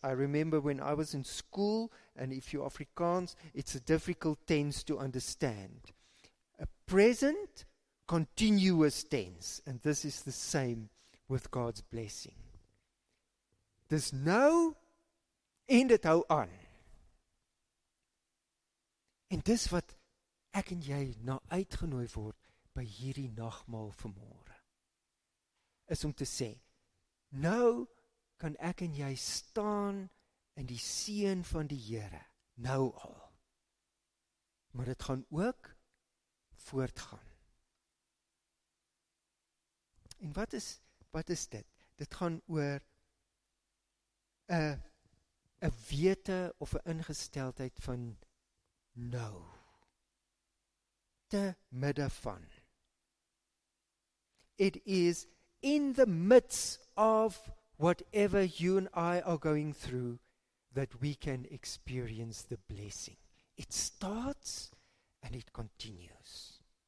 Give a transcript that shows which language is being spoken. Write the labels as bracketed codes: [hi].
[en] I remember when I was in school, and if you're Afrikaans, it's a difficult tense to understand. A present, continuous tense. And this is the same with God's blessing. This now [af] En dit hou aan. En dis wat ek en jy na uitgenooi word by hierdie nagmaal vanmôre. Is om te sê, nou kan ek en jy staan in die seën van die Here, nou al. Maar dit gaan ook voortgaan. En wat is dit? Dit gaan oor 'n wete of 'n ingesteldheid van nou. Te midde van. [en] It is in the midst of whatever you and I are going through that we can experience the blessing. It starts and it continues.